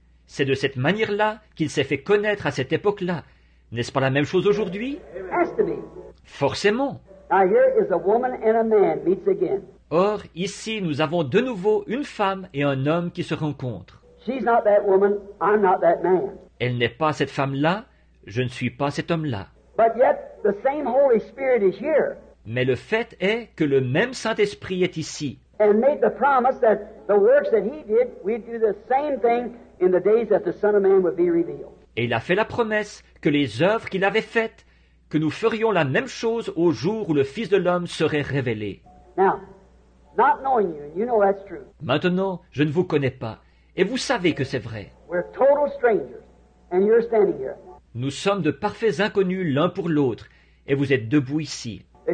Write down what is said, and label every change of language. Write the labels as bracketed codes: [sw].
[fr] C'est de cette manière-là qu'il s'est fait connaître à cette époque-là. N'est-ce pas la même chose aujourd'hui? Forcément. [en] Now, here is a woman and a man meets again. [fr] Or, ici, nous avons de nouveau une femme et un homme qui se rencontrent. [en] She's not that woman, I'm not that man. [fr] Elle n'est pas cette femme-là, je ne suis pas cet homme-là. [en] But yet, the same Holy Spirit is here. [fr] Mais le fait est que le même Saint-Esprit est ici. [en] And made the promise that the works that he did, we'd do the same thing in the days that the Son of Man would be revealed. [fr] Et il a fait la promesse que les œuvres qu'il avait faites, que nous ferions la même chose au jour où le Fils de l'homme serait révélé. [en] Now, not knowing you, you know that's true. [fr] Maintenant, je ne vous connais pas, et vous savez que c'est vrai. [en] We're total strangers, and you're standing here. [fr] Nous sommes de parfaits inconnus l'un pour l'autre, et vous êtes debout ici.